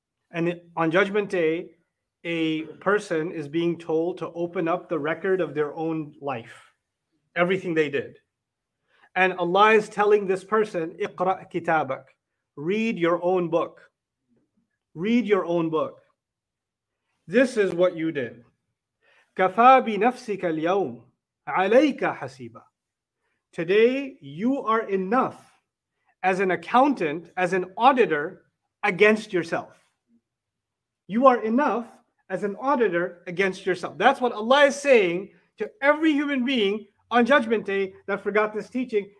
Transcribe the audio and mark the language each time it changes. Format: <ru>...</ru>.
<en>And on Judgment Day, a person is being told to open up the record of their own life, everything they did. And Allah is telling this person,</en> <ar>اقرأ كتابك,</ar> <en>read your own book. Read your own book. This is what you did.</en> <ar>كفى بنفسك اليوم عليك حسيبا.</ar> <en>Today, you are enough as an accountant, as an auditor against yourself. You are enough as an auditor against yourself. That's what Allah is saying to every human being on Judgment Day that forgot this teaching.</en>